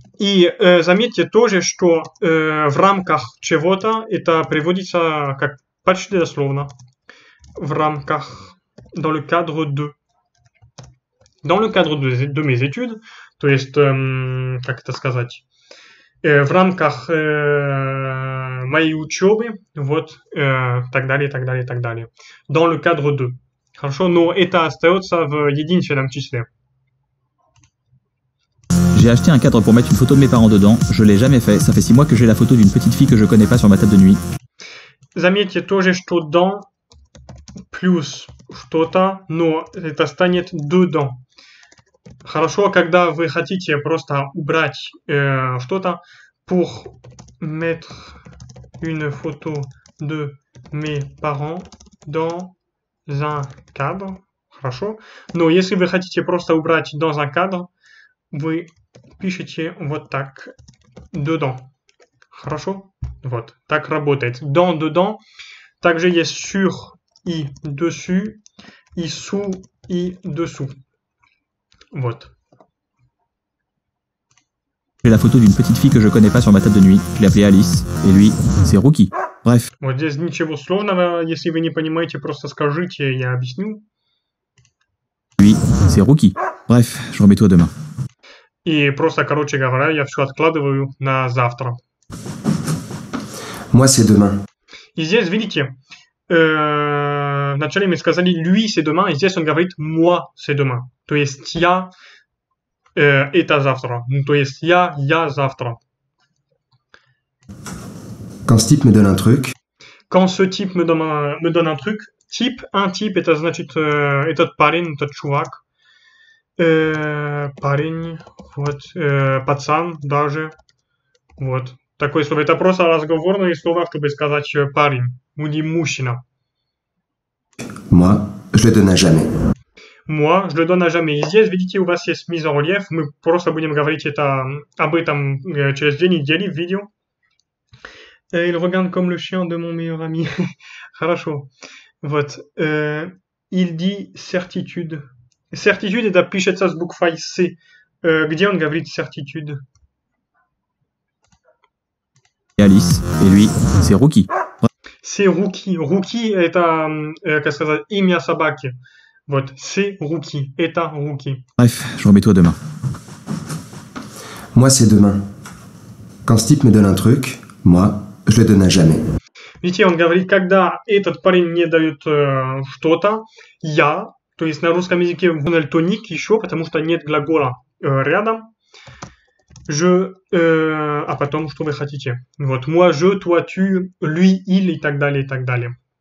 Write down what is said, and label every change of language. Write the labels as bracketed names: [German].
[Russian] И заметьте тоже, что в рамках чего-то это приводится как почти дословно. В рамках. [French] Dans le cadre de. Dans le cadre de mes études. [Russian] То есть, как это сказать? В рамках моей учебы, вот, так далее, так далее, так далее. [French] Dans le cadre de. [Russian] Хорошо, но это остается в единственном числе. [French] J'ai acheté un cadre pour mettre une photo de mes parents dedans. Je l'ai jamais fait. Ça fait 6 mois que j'ai la photo d'une petite fille que je connais pas sur ma table de nuit. [Russian] Заметьте тоже, что dans plus что-то, но это станет dedans. Хорошо, когда вы хотите просто убрать что-то. [French] Pour mettre une photo de mes parents dans un cadre. [Russian] Хорошо. Но если вы хотите просто убрать [French] dans un cadre, [Russian] вы пишете вот так. Dedans. Хорошо. Вот. Так работает. Dans, dedans. Также есть sur и dessus. И sous и dessous. Вот. [French] J'ai la photo d'une petite fille que je connais pas sur ma table de nuit. Je l'ai appelée Alice. Et lui, c'est Rookie. Bref. [Russian] Вот здесь ничего сложного. Если вы не понимаете, просто скажите, я объясню. [French] Lui, c'est Rookie. Bref, je remets tout à demain. [Russian] И просто, короче говоря, я все откладываю на завтра. [French] Moi, c'est demain. [Russian] И здесь, видите, вначале мы сказали [French] «lui, c'est demain», [Russian] и здесь он говорит [French] «moi, c'est demain». [Russian] То есть «я». Это завтра. Ну, то есть я завтра. [French] Quand ce type me donne un truc. Quand ce type me donne un truc. [Russian] Type, un type, это значит этот парень, этот чувак. Парень, вот, пацан даже. Вот. Такое слово. Это просто разговорное слово, чтобы сказать парень. Ну, не мужчина. [French] Moi, je le donne à jamais. Moi, je le donne à jamais. [Russian] Здесь, видите, у вас есть mise en relief. Мы просто будем говорить это, об этом через две недели в видео. [French] Il regarde comme le chien de mon meilleur ami. [Russian] Хорошо. Вот. [French] Il dit certitude. [Russian] Certitude, это пишется с буквой C. Где он говорит certitude? [French] Alice. Et lui, c'est Rookie. C'est Rookie. [Russian] Rookie, это, как сказать, имя собаки. Вот, [French] c'est Rookie, [Russian] это Rookie. [French] Bref, je remets tout à demain. Moi, c'est demain. Quand ce type me donne un truc, moi, je le donne à jamais. [Russian] Видите, он говорит, когда этот парень мне дает что-то, я, То есть на русском языке vowel tonic еще, потому что нет глагола рядом. Je, а потом, что вы хотите. Вот, [French] moi, je, toi, tu, lui, il, [Russian] и так далее, и так далее.